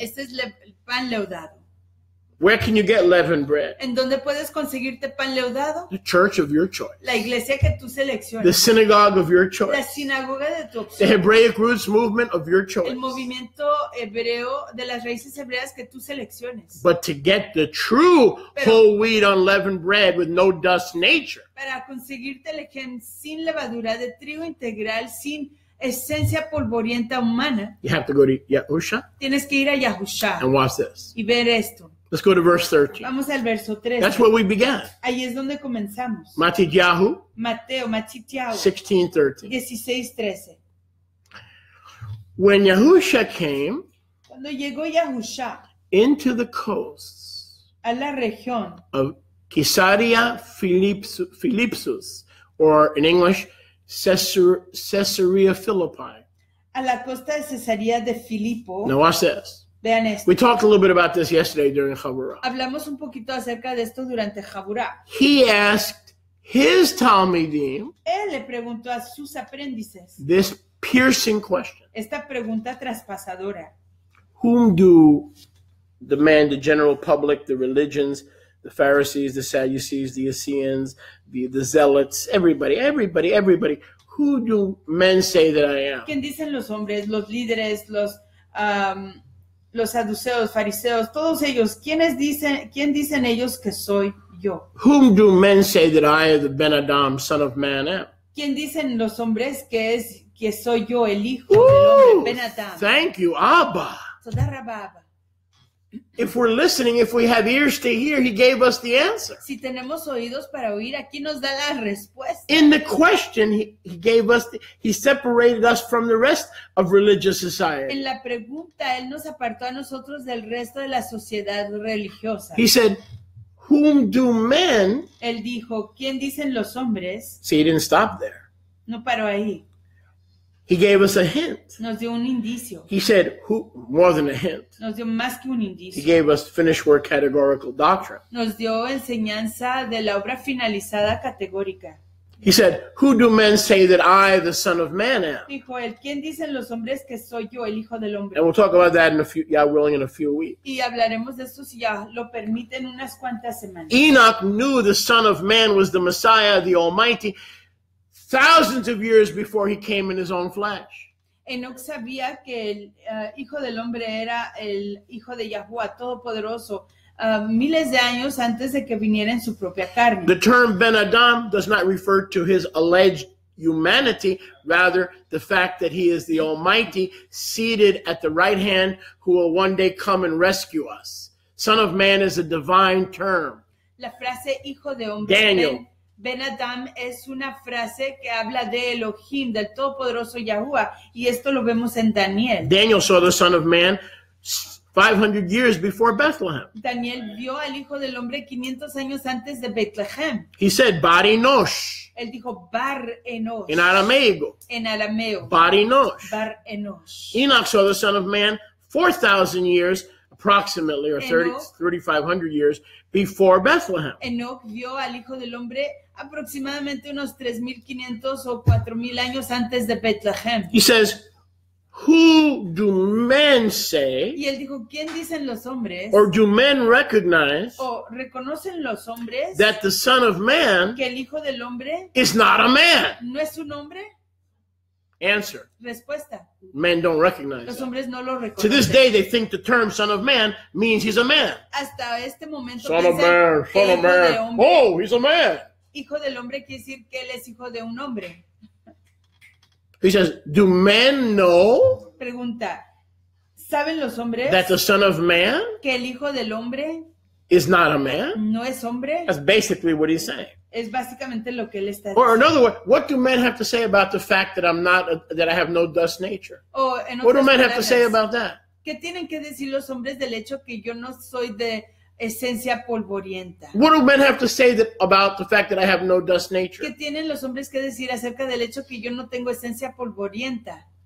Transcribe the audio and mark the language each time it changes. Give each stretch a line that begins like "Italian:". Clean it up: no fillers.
Spanish: Ese es pan leudado.
English: Where can you get leavened bread?
Spanish: ¿En dónde puedes conseguirte pan leudado?
English: The church of your choice.
Spanish: La iglesia que tú selecciones.
English: The synagogue of your choice.
Spanish: La sinagoga de tu opción.
English: The Hebraic roots movement of your choice.
Spanish: El movimiento hebreo de las raíces hebreas que tú selecciones.
English: But to get the true whole wheat unleavened bread with no dust nature.
Spanish: Para conseguirte el ejem sin levadura de trigo integral sin esencia polvorienta humana.
English: You have to go to Yahusha.
Spanish: Tienes que ir a Yahusha.
English: And watch this.
Spanish: Y ver esto.
English: Let's go to verse 13.
Spanish: Vamos al verso 13.
English: That's where we began.
Spanish: Ahí es donde comenzamos.
English: Matityahu.
Spanish: Mateo, Matityahu.
English: 16:13. When Yahusha came.
Spanish: Cuando llegó Yahusha.
English: Into the coasts.
Spanish: A la región.
English: Of Caesarea Philippus, or in English, Caesarea Philippi.
Spanish: A la costa de Cesarea de Filipo.
English: Now watch this. We talked a little bit about this yesterday during Chaburah.
Spanish: Hablamos un poquito acerca de esto durante Chaburah.
English: He asked his Talmidim.
Spanish: Él le preguntó a sus aprendices.
English: This piercing question.
Spanish: Esta pregunta traspasadora.
English: Whom do the man, the general public, the religions, the Pharisees, the Sadducees, the Essenes, the Zealots, everybody, who do men say that I am?
Spanish: ¿Quién dicen los hombres, los líderes, los saduceos, fariseos, todos ellos, ¿quién dicen ellos que soy yo?
English: Whom do men say that I, the Ben Adam, son of man, am?
Spanish: ¿Quién dicen los hombres que soy yo, el hijo del hombre, Ben Adam?
English: Thank you, Abba.
Hebrew: Toda Rabba, Abba.
English: If we're listening, if we have ears to hear, he gave us the answer.
Spanish: Si tenemos oídos para oír, aquí nos da la respuesta.
English: In the question, he gave us, he separated us from the rest of religious society.
Spanish: En la pregunta, él nos apartó a nosotros del resto de la sociedad religiosa.
English: He said, whom do men?
Spanish: Él dijo, ¿quién dicen los hombres?
English: See, he didn't stop there.
Spanish: No paró ahí.
English: He gave us a hint.
Spanish: Nos dio un indicio.
English: He said, who, more than a hint.
Spanish: Nos dio más que un indicio.
English: He gave us finished work categorical doctrine.
Spanish: Nos dio enseñanza de la obra finalizada categórica.
English: He said, who do men say that I, the Son of Man, am?
Spanish: Dijo él, ¿quién dicen los hombres que soy yo, el Hijo del Hombre?
English: And we'll talk about that in a few, yeah, willing, in a few weeks.
Spanish: Y hablaremos de esto si ya lo permiten unas cuantas semanas.
English: Enoch knew the Son of Man was the Messiah, the Almighty. Thousands of years before he came in his own flesh.
Spanish: Enoch sabía que el hijo del hombre era el hijo de Yahuwah, todopoderoso, miles de años antes de que viniera en su propia carne.
English: The term Ben Adam does not refer to his alleged humanity, rather the fact that he is the Almighty seated at the right hand who will one day come and rescue us. Son of Man is a divine term.
Spanish: La frase hijo de hombre.
English: Daniel.
Spanish: Ben Adam es una frase que habla de Elohim, del Todopoderoso Yahuwah, y esto lo vemos en Daniel.
English: Daniel saw the Son of Man 500 years before Bethlehem.
Spanish: Daniel vio al Hijo del Hombre 500 años antes de Bethlehem.
English: He said, Bar Enosh.
Spanish: Él dijo, Bar Enosh. En arameo. En arameo.
English: Bar Enosh.
Spanish: Bar Enosh.
English: Enoch saw the Son of Man 4,000 years approximately, or 3,500 years before Bethlehem.
Spanish: Enoch vio al Hijo del Hombre aproximadamente unos 3,500 o 4,000 años antes de Bethlehem.
English: He says, who do men say?
Spanish: Y él dijo, ¿quién dicen los hombres?
English: Or do men recognize?
Spanish: O reconocen los hombres?
English: That the Son of Man,
Spanish: que el Hijo del Hombre,
English: is not a man.
Spanish: No es un hombre.
English: Answer.
Spanish: Respuesta.
English: Men don't recognize.
Spanish: Los hombres no lo reconocen.
English: To this day, they think the term "son of man" means he's a man.
Spanish: Hasta este momento.
English: Son of man. Son of man. Oh, he's a man.
Spanish: Hijo del hombre quiere decir que él es hijo de un hombre.
English: He says, "Do men know?"
Spanish: Pregunta. ¿Saben los hombres?
English: That the Son of Man.
Spanish: Que el Hijo del Hombre.
English: Is not a man.
Spanish: No es hombre.
English: That's basically what he's saying.
Spanish: Es básicamente lo que él está diciendo.
English: Or in other words, what do men have to say about the fact that I'm not, that I have no dust nature? What do men have to say about that?
Spanish: ¿Qué tienen que decir los hombres del hecho que yo no soy de esencia polvorienta?
English: What do men have to say that, about the fact that I have no dust nature?
Spanish: ¿Qué tienen los hombres que decir acerca del hecho que yo no tengo esencia polvorienta?